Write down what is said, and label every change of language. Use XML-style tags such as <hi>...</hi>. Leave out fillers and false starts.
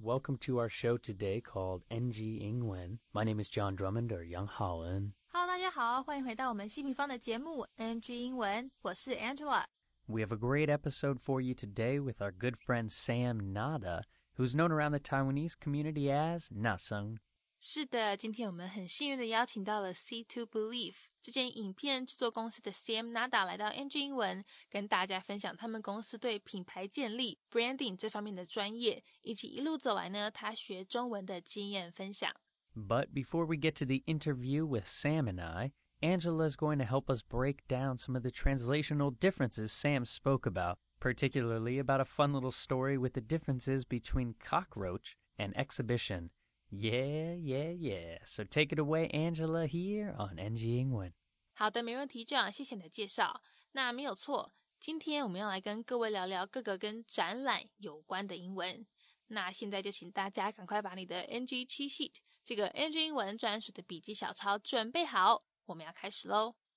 <en>Welcome to our show today called NG Ingwen. My name is John Drummond, or Young Holland.</en> <zh>Hello, 大家好，欢迎回到我们西平方的节目 NG 英文，我是 Angela.</zh> <en>We have a great episode for you today with our good friend Sam Nada, who's known around the Taiwanese community as Naseng.</en> <zh>是的，今天我们很幸运地邀请到了 C2 Belief 这间影片制作公司的 Sam Nada 来到 NG 英文，跟大家分享他们公司对品牌建立 branding 这方面的专业，以及一路走来呢他学中文的经验分享。</zh> <en>But before we get to the interview with Sam and I, Angela is going to help us break down some of the translational differences Sam spoke about, particularly about a fun little story with the differences between cockroach and exhibition. Yeah. So take it away, Angela, here on NG 英文。</en> <zh>好的，没问题，这样谢谢你的介绍。那没有错，今天我们要来跟各位聊聊各个跟展览有关的英文。那现在就请大家赶快把你的 NG cheat sheet 这个 NG 英文专属的笔记小抄准备好，我们要开始咯。</zh>